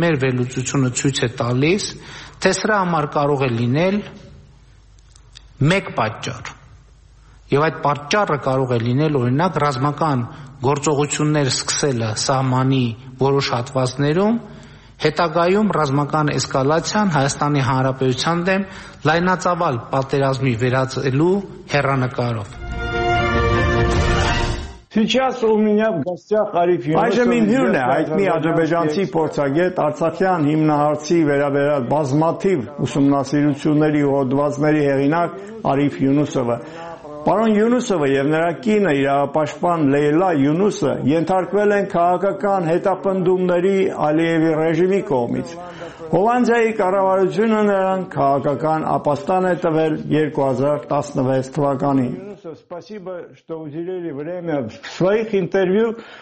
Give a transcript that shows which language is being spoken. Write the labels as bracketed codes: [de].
[hy] Մեր վերլուծությունը ցույց է տալիս, թե սրա համար կարող է լինել մեկ պատճառ, եւ այդ պատճառը կարող է լինել, օրինակ, ռազմական գործողություններ սկսելը սահմանի որոշ հատվածներում, հետագայում ռազմական էսկալացիան Հայաստանի Հանրապետության դեմ լայնածավալ պատերազմի վերածելու հեռանկարով։ [ru] Сейчас у меня в гостях Ариф Юнусов. [hy] Այժմ իմ հյուրն է այդ մի ադրբեջանցի փորձագետ Արցախյան հիմնահարցի վերաբերյալ բազմաթիվ ուսումնասիրությունների ու հոդվածների հեղինակ Ариф Юнусовը։ Պարոն Юнусовը եւ նրա կինը իրավապաշտպան Լեյլա Юнусը ենթարկվել են քաղաքական հետապնդումների Ալիևի ռեժիմի կողմից։ Հոլանդիայի կառավարությունը նրան քաղաքական ապաստան է տվել 2016 թվականին։ [ru] Спасибо, что уделили время в своих интервью.